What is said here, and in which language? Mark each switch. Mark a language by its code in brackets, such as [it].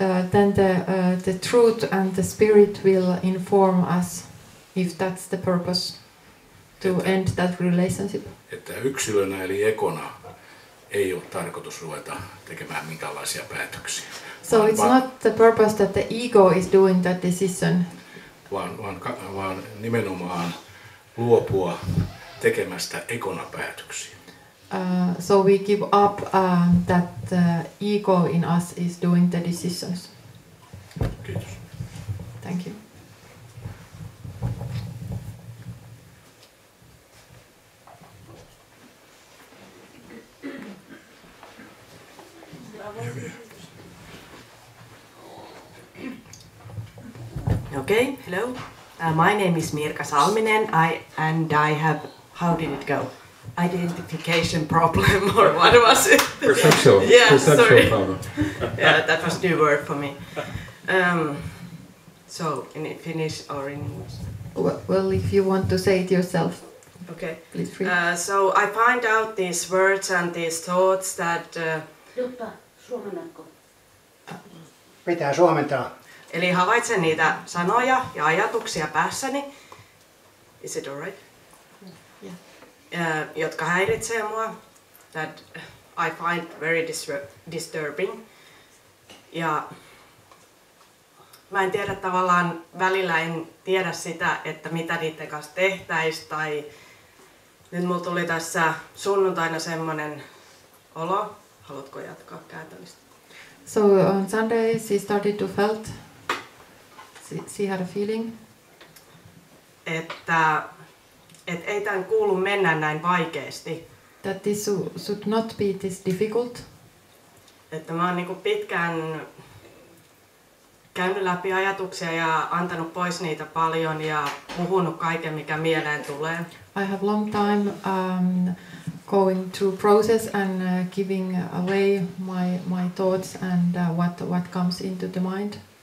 [en] Then the truth and the spirit will inform us if that's the purpose to end that relationship. [fi] Että yksilönä eli ekona ei ole tarkoitus ruveta tekemään minkäänlaisia päätöksiä. [en] So it's not the purpose that the ego is doing that decision. [fi] Vaan nimenomaan luopua tekemästä ekona päätöksiä. [en] So we give up that ego in us is doing the decisions. [fi] Kiitos. [en] Thank you. Okay, hello. My name is Mirka Salminen. I have, how did it go? identification problem, or what was it? Perceptual, yeah, perceptual sorry. Problem. Yeah, that was a new word for me. So, in Finnish or in English? Well, if you want to say it yourself. Okay. Please free. So, I find out these words and these thoughts that... [fi] Pitää suomentaa. Eli havaitsen niitä sanoja ja ajatuksia päässäni. [en] Is it alright? [fi] Jotka häiritsee mua, [en] that I find very disturbing. [fi] Ja mä en tiedä tavallaan, välillä en tiedä sitä, että mitä niiden kanssa tehtäis, tai nyt mulla tuli tässä sunnuntaina semmonen olo. Haluatko jatkaa käytännöstä? [en] So on Sunday she started to felt, she had a feeling. [fi] Et ei tän kuulu mennä näin vaikeesti. [en] That this should not be this difficult. [fi] Että mä oon niinku pitkään käynyt läpi ajatuksia ja antanut pois niitä paljon ja puhunut kaiken mikä mieleen tulee. [en] I have long time going through process and giving away my thoughts and what comes into the mind.